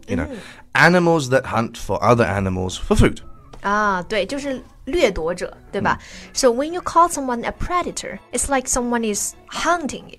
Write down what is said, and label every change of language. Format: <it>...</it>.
<en>You know, animals that hunt for other animals for food.</en> <zh>Ah, 对，就是掠夺者，对吧？</zh> <en>So when you call someone a predator, it's like someone is hunting you.</en>